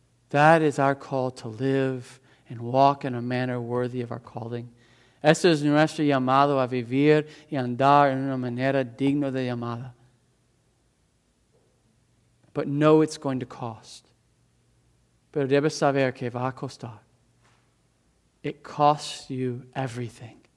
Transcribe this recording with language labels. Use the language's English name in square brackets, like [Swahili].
[English] That is our call to live and walk in a manner worthy of our calling. [Spanish] Este es nuestro llamado a vivir y andar en una manera digna de llamada. [English] But know it's going to cost. [Spanish] Pero debes saber que va a costar. [English] It costs you everything.